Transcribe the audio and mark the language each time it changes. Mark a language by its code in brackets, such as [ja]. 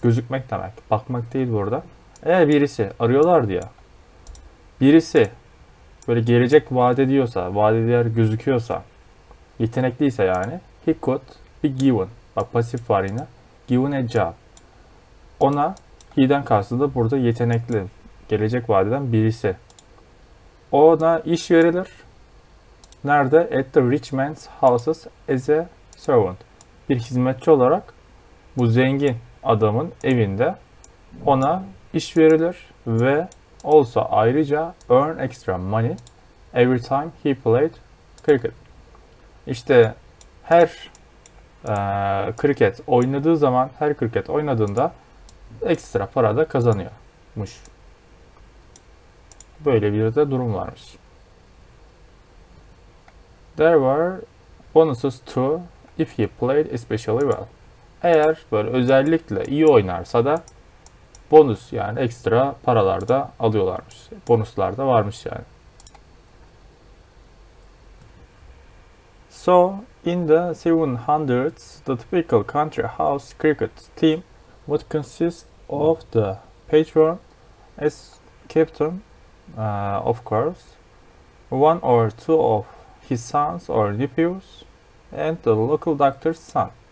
[tr] Gözükmek demek, bakmak değil burada. Eğer birisi arıyorlar diye, birisi böyle gelecek vaat ediyorsa, vaat eder gözüküyorsa, yetenekliyse yani, [en] he could be given. [tr] Bak pasif var yine. [en] Given a job. [tr] Ona, he'den kastı da burada yetenekli, gelecek vaat eden birisi. Ona iş verilir. Nerede? [en] At the rich man's houses as a servant. [tr] Bir hizmetçi olarak bu zengin adamın evinde ona iş verilir ve olsa ayrıca [en] earn extra money every time he played cricket. [tr] İşte her cricket oynadığı zaman, her cricket oynadığında ekstra para da kazanıyormuş. Böyle bir de durum varmış. [en] There were bonuses too if he played especially well. [tr] Eğer böyle özellikle iyi oynarsa da bonus yani ekstra paralar da alıyorlarmış. Bonuslar da varmış yani. [en] So, in the 1700s, the typical country house cricket team would consist of the patron as captain, of course, one or two of his sons or nephews and the local doctor's son.